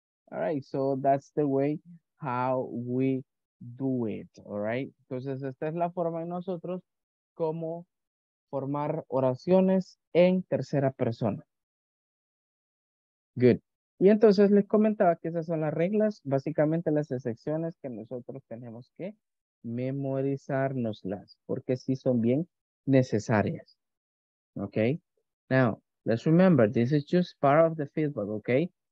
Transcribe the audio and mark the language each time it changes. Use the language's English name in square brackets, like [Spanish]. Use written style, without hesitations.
[English] All right, so that's the way how we do it. All right. [Spanish] Entonces, esta es la forma de nosotros como formar oraciones en tercera persona. Good. Y entonces les comentaba que esas son las reglas, básicamente las excepciones que nosotros tenemos que memorizárnoslas, porque sí son bien necesarias. [English] Okay. Now, let's remember, this is just part of the feedback, okay?